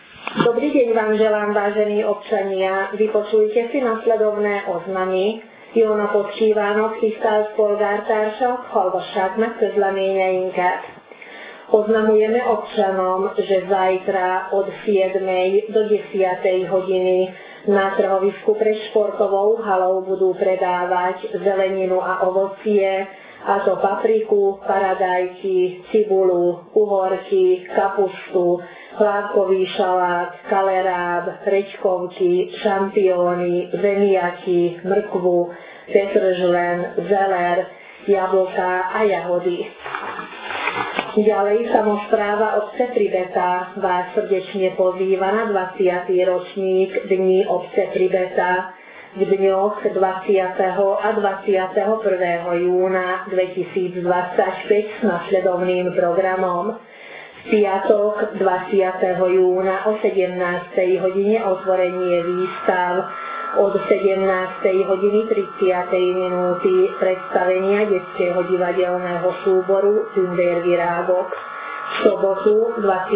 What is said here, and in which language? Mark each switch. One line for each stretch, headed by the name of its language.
Slovak: Dobrý deň vám želám, vážení občania. Vypočujte si nasledovné oznamy.
Hungarian: Jóna Podkívánok, tisztelt polgártársak, hallgassák meg közleményeinket.
Slovak: Oznamujeme občanom, že zajtra od 7. do 10. hodiny na trhovisku pre športovou halou budú predávať zeleninu a ovocie, a to papriku, paradajky, cibulu, uhorky, kapustu, plávkový šalát, kaleráb, rečkovky, šampióny, zemiaky, mrkvu, petržlen, zeler, jablka a jahody. Ďalej samospráva obce Tribeta vás srdečne pozýva na 20. ročník Dní obce Tribeta v dňoch 20. a 21. júna 2025 s nasledovným programom. V piatok 20. júna o 17. hodine otvorenie výstav, od 17. hodiny 30. minúty predstavenia detského divadelného súboru Tündér Virágok, v sobotu 21.